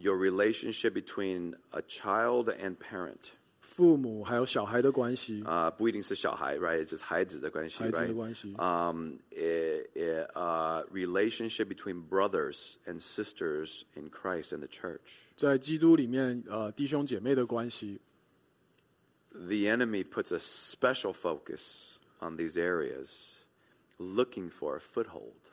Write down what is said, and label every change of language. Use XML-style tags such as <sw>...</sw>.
<en>your relationship between a child and parent</en> <zh>父母还有小孩的关系不一定是小孩</zh> <en>right? It's just</en> <zh>孩子的关系孩子的关系</zh> <en>right? Relationship between brothers and sisters in Christ and the church</en> <zh>在基督里面 弟兄姐妹的关系</zh> <en>The enemy puts a special focus on these areas looking for a foothold</en>